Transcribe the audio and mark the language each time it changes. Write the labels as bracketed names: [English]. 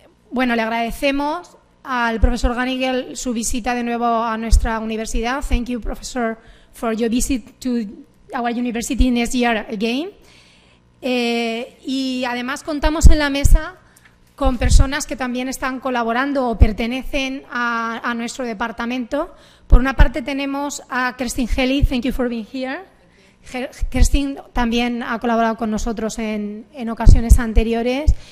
[Spanish] Bueno, le agradecemos al profesor Gunnigle su visita de nuevo a nuestra universidad. [English] Thank you, professor, for your visit to our university next year again. [Spanish] Y además contamos en la mesa con personas que también están colaborando o pertenecen a nuestro departamento. Por una parte tenemos a Kerstin Healy, [English] thank you for being here. [Spanish] Kerstin también ha colaborado con nosotros en ocasiones anteriores.